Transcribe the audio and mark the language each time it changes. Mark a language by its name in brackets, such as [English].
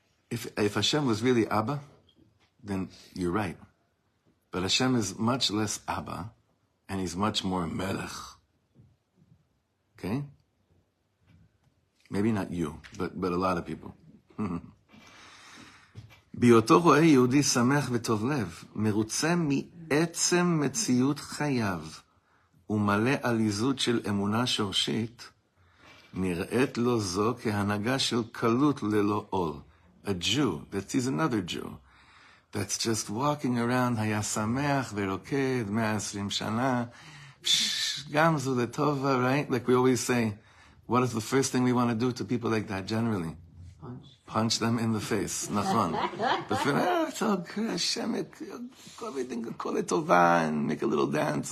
[English] If Hashem was really Abba, then you're right. But Hashem is much less Abba, and he's much more melech. Okay? Maybe not you, but a lot of people. [Hebrew] בהיותו רואה יהודי שמח וטוב לב, מרוצה מעצם מציאות חייו, ומלא עליזות של אמונה שורשית, נראית לו זו כהנהגה של קלות ללא עול. [English] A Jew, that is another Jew, that's just walking around, [Hebrew] היה שמח ורוקד 120 שנה, גם זו לטובה, [English] right? Like we always say, what is the first thing we want to do to people like that generally? Punch them in the face. Nachon. And make a little dance.